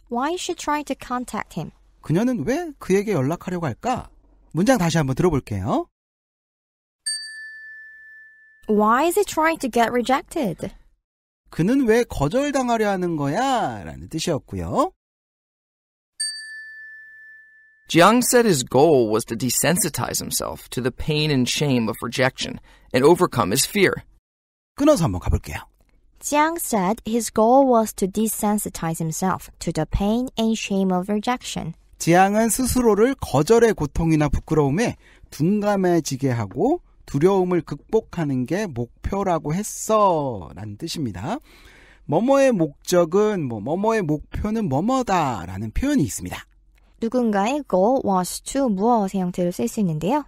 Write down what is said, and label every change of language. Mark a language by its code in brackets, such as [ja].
[en] Why is she trying to contact him? [ko] 그녀는 왜 그에게 연락하려고 할까? 문장 다시 한번 들어볼게요. [en] Why is he trying to get rejected? [ko] 그는 왜 거절당하려 하는 거야? 라는 뜻이었고요. [en] Jiang said his goal was to desensitize himself to the pain and shame of rejection and overcome his fear. [ko] 끊어서 한번 가볼게요. [en] Jiang said his goal was to desensitize himself to the pain and shame of rejection. [ko] 지앙은 스스로를 거절의 고통이나 부끄러움에 둔감해지게 하고 두려움을 극복하는 게 목표라고 했어 라는 뜻입니다. 뭐뭐의 목적은 뭐 뭐뭐의 목표는 뭐뭐다 라는 표현이 있습니다. 누군가의 [en] goal was to [ko] 무엇의 형태로 쓸 수 있는데요.